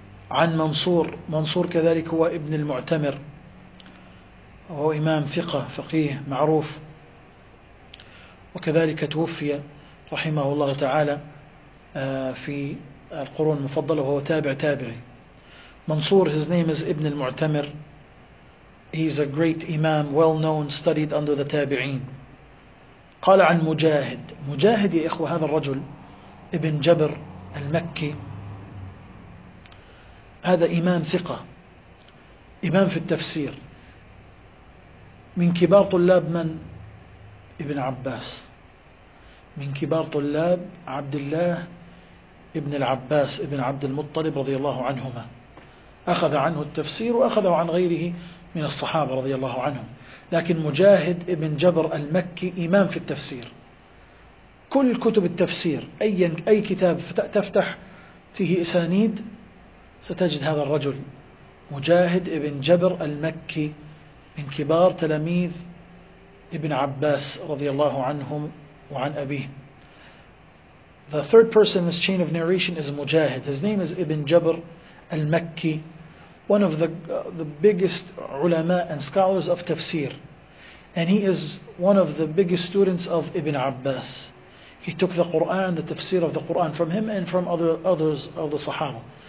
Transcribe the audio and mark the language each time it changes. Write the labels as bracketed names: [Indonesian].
[Arabic] عن منصور, منصور كذلك هو ابن المعتمر, وهو إمام ثقة فقيه معروف، وكذلك توفي رحمه الله تعالى في القرون المفضلة وهو تابع تابعي. [English] منصور his name is ابن المعتمر. He's a great imam, well known, studied under the تابعين. [Arabic] قال عن مجاهد، مجاهد يا إخوة هذا الرجل ابن جبر المكي، هذا إمام ثقة، إمام في التفسير، من كبار طلاب من؟ ابن عباس، من كبار طلاب عبد الله ابن العباس ابن عبد المطلب رضي الله عنهما، أخذ عنه التفسير وأخذه عن غيره من الصحابة رضي الله عنهم. لكن مجاهد ابن جبر المكي إمام في التفسير، كل كتب التفسير أي كتاب تفتح فيه إسانيد ستجد هذا الرجل مجاهد ابن جبر المكي من كبار تلاميذ ابن عباس رضي الله عنهم وعن أبيه. [English] The third person in this chain of narration is Mujahid. His name is Ibn Jabr al-Makki, one of the biggest ulama and scholars of tafsir. And he is one of the biggest students of Ibn Abbas. He took the Quran, the tafsir of the Quran from him and from others of the Sahaba.